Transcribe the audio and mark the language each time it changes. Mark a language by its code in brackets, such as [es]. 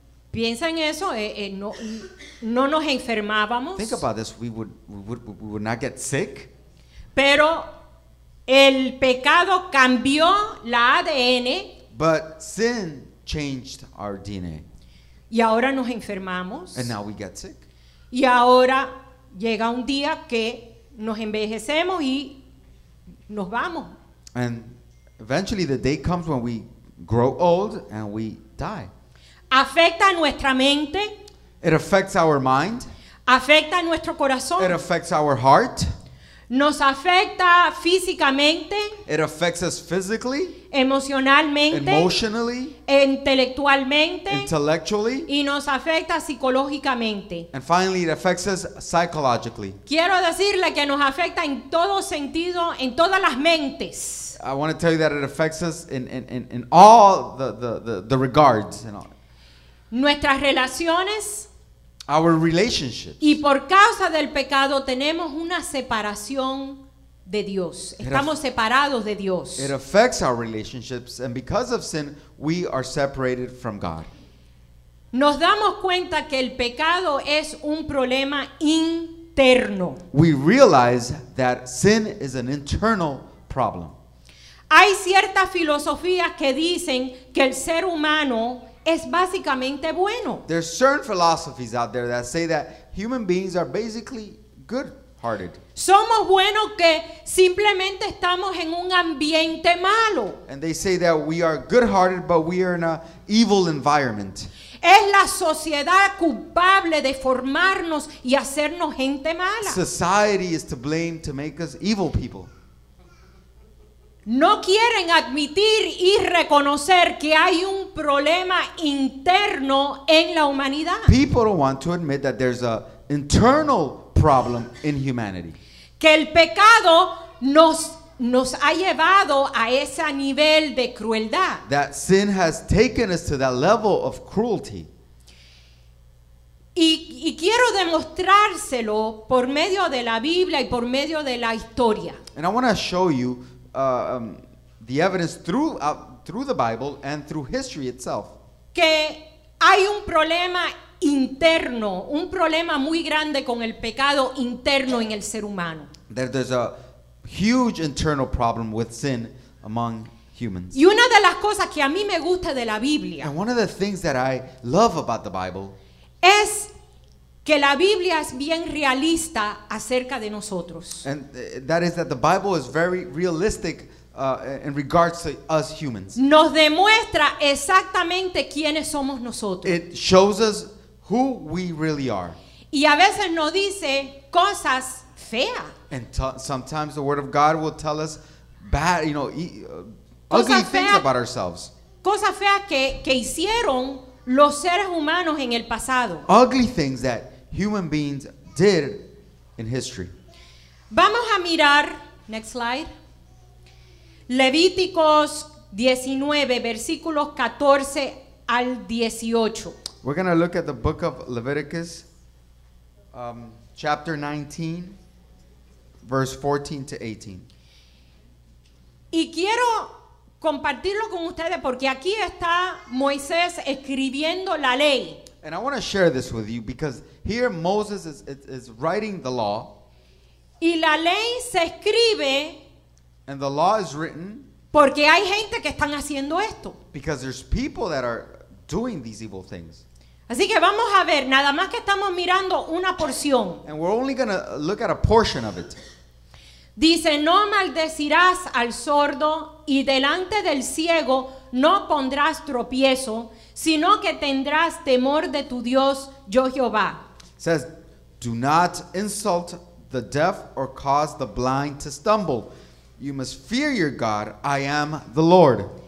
[es] Piensa en eso, no nos enfermábamos. [en] Think about this, we would not get sick. [es] Pero el pecado cambió la ADN. [en] But sin changed our DNA. [es] Y ahora nos enfermamos. [en] And now we get sick. [es] Y ahora llega un día que nos envejecemos y nos vamos. [en] And eventually the day comes when we grow old and we die. [es] Afecta nuestra mente. [en] It affects our mind. [es] Afecta nuestro corazón. [en] It affects our heart. [es] Nos afecta físicamente. [en] It affects us physically. [es] Emocionalmente. [en] Emotionally. [es] Intelectualmente. [en] Intellectually. [es] Y nos afecta psicológicamente. [en] And finally, it affects us psychologically. [es] Quiero decirle que nos afecta en todo sentido, en todas las mentes. [en] I want to tell you that it affects us in all the regards. And all. [es] Nuestras relaciones. [en] Our relationships. [es] Y por causa del pecado tenemos una separación de Dios. Estamos separados de Dios. [en] It affects our relationships, and because of sin, we are separated from God. [es] Nos damos cuenta que el pecado es un problema interno. [en] We realize that sin is an internal problem. [es] Hay ciertas filosofías que dicen que el ser humano es básicamente bueno. [en] There's certain philosophies out there that say that human beings are basically good-hearted. [es] Somos buenos que simplemente estamos en un ambiente malo. [en] And they say that we are good-hearted, but we are in an evil environment. [es] Es la sociedad culpable de formarnos y hacernos gente mala. [en] Society is to blame to make us evil people. [es] No quieren admitir y reconocer que hay un problema interno en la humanidad. [en] People don't want to admit that there's an internal problem in humanity. [es] Que el pecado nos ha llevado a ese nivel de crueldad. [en] That sin has taken us to that level of cruelty. [es] Y quiero demostrárselo por medio de la Biblia y por medio de la historia. [en] And I want to show you the evidence through the Bible and through history itself. [es] Que hay un problema interno, un problema muy grande con el pecado interno en el ser humano. [en] That there's a huge internal problem with sin among humans. [es] Y una de las cosas que a mí me gusta de la Biblia. [en] And one of the things that I love about the Bible. [es] Es que la Biblia es bien realista acerca de nosotros. [en] And that is that the Bible is very realistic in regards to us humans. [es] Nos demuestra exactamente quiénes somos nosotros. [en] It shows us who we really are. [es] Y a veces nos dice cosas feas. [en] And sometimes the Word of God will tell us bad, you know, ugly [es] cosas [en] things [es] fea, [en] about ourselves. [es] Cosas feas que hicieron los seres humanos en el pasado. [en] Ugly things that human beings did in history. [es] Vamos a mirar, [en] next slide. [es] Levíticos 19, versículos 14 al 18. [en] We're going to look at the book of Leviticus, chapter 19, verse 14 to 18. [es] Y quiero compartirlo con ustedes porque aquí está Moisés escribiendo la ley. [en] And I want to share this with you because here Moses is writing the law. [es] Y la ley se escribe. [en] And the law is written. [es] Porque hay gente que están haciendo esto. [en] Because there's people that are doing these evil things. [es] Así que vamos a ver, nada más que estamos mirando una porción. [en] And we're only going to look at a portion of it. [es] Dice, no maldecirás al sordo y delante del ciego no pondrás tropiezo, sino que tendrás temor de tu Dios, yo Jehová. [en] It says, do not insult the deaf or cause the blind to stumble. You must fear your God, I am the Lord.